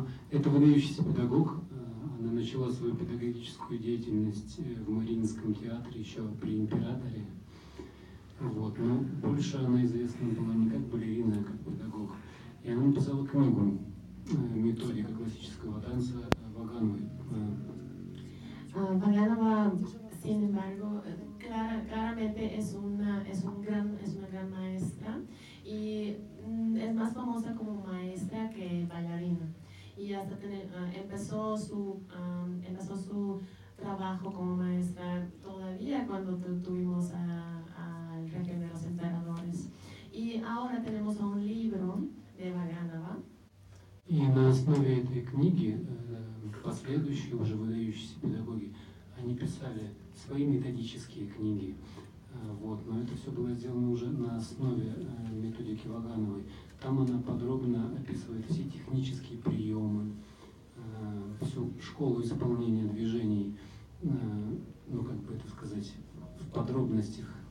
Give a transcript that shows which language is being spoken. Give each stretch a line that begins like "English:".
Russian: Это выдающийся педагог. Она начала свою педагогическую деятельность в Мариинском театре еще при императоре. Вот. Но больше она известна была не как балерина, а как педагог. И она написала книгу «Методика классического танца Вагановой».
Spanish: Ваганова, sin embargo, claramente es una gran maestra y es más famosa como maestra que bailarina. Y hasta empezó su trabajo como maestra todavía cuando tuvimos al Reino de los Emperadores. Y ahora tenemos un libro de Ваганова. Y en la
Russian: основе этой книги последующие уже выдающиеся педагоги, они писали свои методические книги. Вот. Но это все было сделано уже на основе методики Вагановой. Там она подробно описывает все технические приемы, всю школу исполнения движений, ну как бы это сказать, в подробностях.